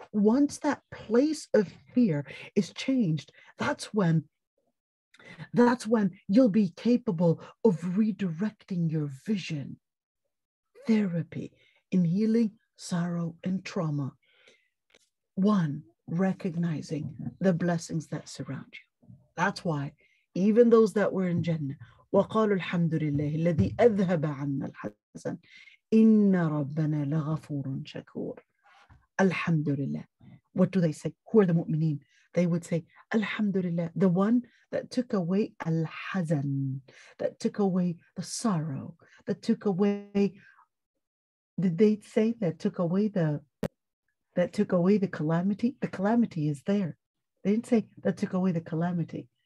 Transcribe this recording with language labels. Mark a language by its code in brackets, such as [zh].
[en] Once that place of fear is changed, that's when you'll be capable of redirecting your vision. Therapy in healing sorrow and trauma. One, recognizing the blessings that surround you. That's why even those that were in Jannah, [ar] وَقَالُوا الْحَمْدُ لِلَّهِ الَّذِي أَذْهَبَ عَنَّا الْحَزَنَ إِنَّ رَبَّنَا لَغَفُورٌ شَكُورٌ الْحَمْدُ لِلَّهِ. [en] What do they say? Who are the mu'mineen? They would say, Alhamdulillah, the one that took away al-hazan, that took away the sorrow, that took away, that took away the calamity? The calamity is there. They didn't say that took away the calamity.